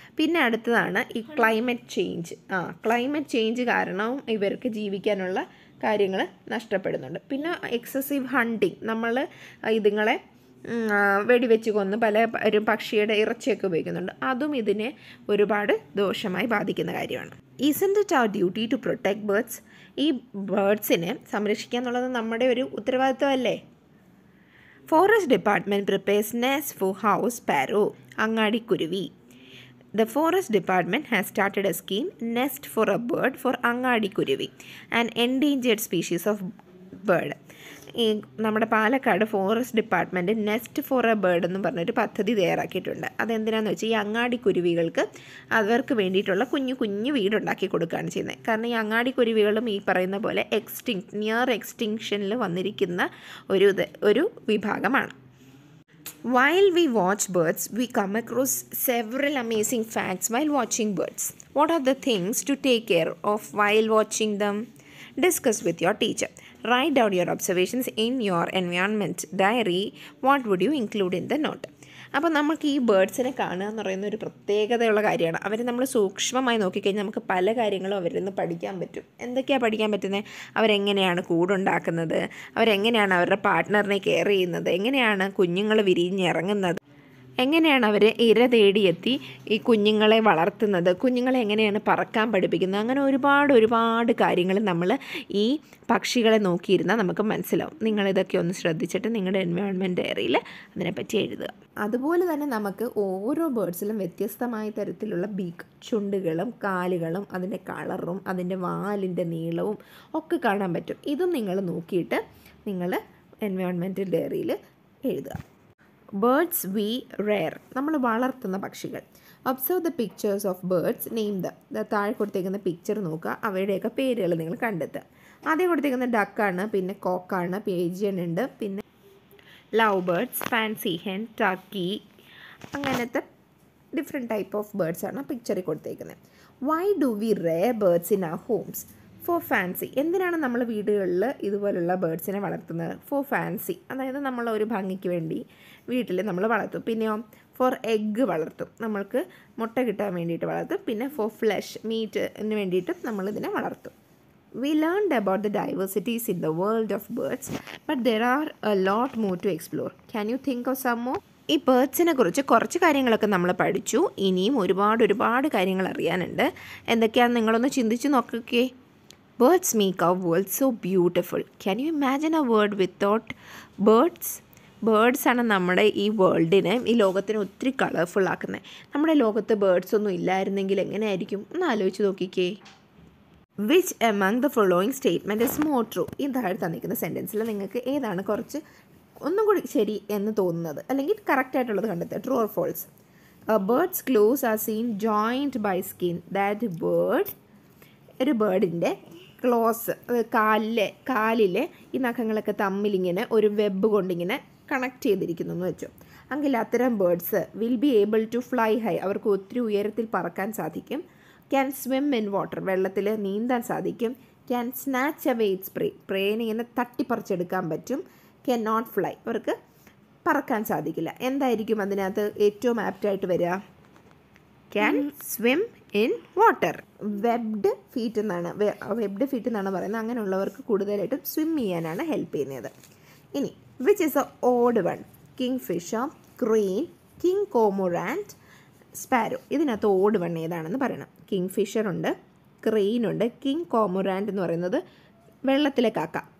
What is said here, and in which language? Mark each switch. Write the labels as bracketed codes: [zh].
[ml] പിന്നെ അടുത്തതാണ് ഈ ക്ലൈമറ്റ് ചേഞ്ച്. ക്ലൈമറ്റ് ചേഞ്ച് കാരണവും ഇവർക്ക് ജീവിക്കാനുള്ള കാര്യങ്ങൾ നഷ്ടപ്പെടുന്നുണ്ട്. പിന്നെ എക്സസീവ് ഹണ്ടിങ്, നമ്മൾ ഇതുങ്ങളെ വെടിവെച്ച് കൊന്ന് പല പക്ഷിയുടെ ഇറച്ചിയൊക്കെ ഉപയോഗിക്കുന്നുണ്ട്, അതും ഇതിനെ ഒരുപാട് ദോഷമായി ബാധിക്കുന്ന കാര്യമാണ്. [en] Isn't it our duty to protect birds? [ml] ഈ ബേർഡ്സിനെ സംരക്ഷിക്കുക എന്നുള്ളത് നമ്മുടെ ഒരു ഉത്തരവാദിത്വമല്ലേ? [en] Forest department prepares nest for house sparrow, അങ്ങാടിക്കുരുവി. The forest department has started a scheme nest for a bird for അങ്ങാടിക്കുരുവി, an endangered species of bird. [ml] ഈ നമ്മുടെ Palakkad forest department nest four A bird എന്ന് പറഞ്ഞൊരു പദ്ധതി തയ്യാറാക്കിയിട്ടുണ്ട്. അതെന്തിനാണെന്ന് വെച്ചാൽ, ഈ അങ്ങാടിക്കുരുവികൾക്ക് അവർക്ക് വേണ്ടിയിട്ടുള്ള കുഞ്ഞു കുഞ്ഞു വീടുണ്ടാക്കി കൊടുക്കുകയാണ് ചെയ്യുന്നത്. കാരണം ഈ അങ്ങാടിക്കുരുവികളും ഈ പറയുന്ന പോലെ നിയർ എക്സ്റ്റിങ്ഷനിൽ വന്നിരിക്കുന്ന ഒരു വിഭാഗമാണ്. [en] While we watch birds, we come across several amazing facts while watching birds. What are the things to take care of while watching them? Discuss with your teacher. Write down your observations in your environment diary. What would you include in the note? [ml] അപ്പോൾ നമുക്ക് ഈ ബേർഡ്സിനെ കാണുക എന്ന് പറയുന്ന ഒരു പ്രത്യേകതയുള്ള കാര്യമാണ്. അവർ നമ്മൾ സൂക്ഷ്മമായി നോക്കിക്കഴിഞ്ഞാൽ നമുക്ക് പല കാര്യങ്ങളും അവരിൽ നിന്ന് പഠിക്കാൻ പറ്റും. എന്തൊക്കെയാണ് പഠിക്കാൻ പറ്റുന്നത്? അവരെങ്ങനെയാണ് കൂടുണ്ടാക്കുന്നത്, അവരെങ്ങനെയാണ് അവരുടെ പാർട്ട്ണറിനെ കെയർ ചെയ്യുന്നത്, എങ്ങനെയാണ് കുഞ്ഞുങ്ങൾ വിരിഞ്ഞിറങ്ങുന്നത്, എങ്ങനെയാണ് അവർ ഇര തേടിയെത്തി ഈ കുഞ്ഞുങ്ങളെ വളർത്തുന്നത്, കുഞ്ഞുങ്ങളെ എങ്ങനെയാണ് പറക്കാൻ പഠിപ്പിക്കുന്നത്, അങ്ങനെ ഒരുപാട് ഒരുപാട് കാര്യങ്ങൾ നമ്മൾ ഈ പക്ഷികളെ നോക്കിയിരുന്നാൽ നമുക്ക് മനസ്സിലാവും. നിങ്ങളിതൊക്കെ ഒന്ന് ശ്രദ്ധിച്ചിട്ട് നിങ്ങളുടെ എൻവയോൺമെൻറ്റ് ഡയറിയിൽ അതിനെപ്പറ്റി എഴുതുക. അതുപോലെ തന്നെ നമുക്ക് ഓരോ ബേർഡ്സിലും വ്യത്യസ്തമായ തരത്തിലുള്ള ബീക്ക് ചുണ്ടുകളും കാലുകളും അതിൻ്റെ കളറും അതിൻ്റെ വാലിൻ്റെ നീളവും ഒക്കെ കാണാൻ പറ്റും. ഇതും നിങ്ങൾ നോക്കിയിട്ട് നിങ്ങൾ എൻവയോൺമെൻറ്റൽ ഡയറിയിൽ എഴുതുക. [en] Birds we rear, [ml] നമ്മൾ വളർത്തുന്ന പക്ഷികൾ. [en] Observe the pictures of birds, name them. [ml] താഴെ കൊടുത്തേക്കുന്ന പിക്ചർ നോക്കുക, അവയുടെയൊക്കെ പേരുകൾ നിങ്ങൾ കണ്ടെത്തുക. ആദ്യം കൊടുത്തേക്കുന്ന ഡക്കാണ്, പിന്നെ കോക്കാണ്, പേജിയൻ ഉണ്ട്, പിന്നെ ലവ് ബേർഡ്സ്, ഫാൻസി ഹെൻ, ടക്കി, അങ്ങനത്തെ ഡിഫറെൻ്റ് ടൈപ്പ് ഓഫ് ബേർഡ്സാണ് പിക്ചറിൽ കൊടുത്തേക്കുന്നത്. [en] Why do we rare birds in our homes? For fancy. [ml] എന്തിനാണ് നമ്മൾ വീടുകളിൽ ഇതുപോലുള്ള ബേർഡ്സിനെ വളർത്തുന്നത്? [en] for fancy, [ml] അതായത് നമ്മളെ ഒരു ഭംഗിക്ക് വേണ്ടി വീട്ടിൽ നമ്മൾ വളർത്തും. പിന്നെയോ [en] for egg [ml] വളർത്തും, നമ്മൾക്ക് മുട്ട കിട്ടാൻ വേണ്ടിയിട്ട് വളർത്തും. പിന്നെ [en] for flesh, [ml] മീറ്റ് എന്ന് വേണ്ടിയിട്ടും നമ്മൾ ഇതിനെ വളർത്തും. [en] We learn about the diversities in the world of birds but there are a lot more to explore. Can you think of some more? [ml] ഈ ബേർഡ്സിനെ കുറിച്ച് കുറച്ച് കാര്യങ്ങളൊക്കെ നമ്മൾ പഠിച്ചു, ഇനിയും ഒരുപാട് ഒരുപാട് കാര്യങ്ങൾ അറിയാനുണ്ട്. എന്തൊക്കെയാണെന്ന് നിങ്ങളൊന്ന് ചിന്തിച്ച് നോക്കൊക്കെ. [en] Birds make our world so beautiful. Can you imagine a world without birds? [ml] Birds ആണ് നമ്മുടെ ഈ വേൾഡിനെ, ഈ ലോകത്തിനെ ഒത്തിരി കളർഫുൾ ആക്കുന്നത്. നമ്മുടെ ലോകത്ത് ബേർഡ്സ് ഒന്നും ഇല്ലായിരുന്നെങ്കിൽ എങ്ങനെയായിരിക്കും? ഒന്ന് ആലോചിച്ച് നോക്കിക്കേ. [en] Which among the following statement is more true? [ml] ഈ താഴെ തന്നിരിക്കുന്ന സെൻറ്റൻസിൽ നിങ്ങൾക്ക് ഏതാണ് കുറച്ച് ഒന്നും കൂടി ശരി എന്ന് തോന്നുന്നത്, അല്ലെങ്കിൽ കറക്റ്റായിട്ടുള്ളത് കണ്ടെത്തുക. [en] True or false? Birds claws are seen joint by skin. That bird, [ml] ഒരു ബേർഡിൻ്റെ ക്ലോസ്, കാലിലെ ഈ നഖങ്ങളൊക്കെ തമ്മിലിങ്ങനെ ഒരു വെബ് കൊണ്ടിങ്ങനെ കണക്ട് ചെയ്തിരിക്കുന്നു എന്ന് വെച്ചു. അങ്കിൽ അത്തരം [en] birds will be able to fly high, [ml] അവർക്ക് ഒത്തിരി ഉയരത്തിൽ പറക്കാൻ സാധിക്കും. [en] can swim in water, [ml] വെള്ളത്തിൽ നീന്താൻ സാധിക്കും. [en] can snatch away its prey, [ml] പ്രേനെ ഇങ്ങനെ തട്ടിപ്പറിച്ചെടുക്കാൻ പറ്റും. [en] can not fly, [ml] അവർക്ക് പറക്കാൻ സാധിക്കില്ല. എന്തായിരിക്കും അതിനകത്ത് ഏറ്റവും ആപ്റ്റായിട്ട് വരിക? [en] Can swim in water. [ml] Webbed feet എന്നാണ്, webbed feet എന്നാണ് പറയുന്നത്. അങ്ങനെയുള്ളവർക്ക് കൂടുതലായിട്ടും സ്വിമ്മ് ചെയ്യാനാണ് ഹെൽപ്പ് ചെയ്യുന്നത്. ഇനി [en] Which is a odd one? Kingfisher, crane, king cormorant, sparrow. [ml] ഇതിനകത്ത് ഓഡ് വൺ ഏതാണെന്ന് പറയണം. കിങ് ഫിഷറുണ്ട്, ക്രെയിൻ ഉണ്ട്, കിങ് കോമൊറാൻറ്റ് എന്ന് പറയുന്നത് വെള്ളത്തിലെ കാക്ക.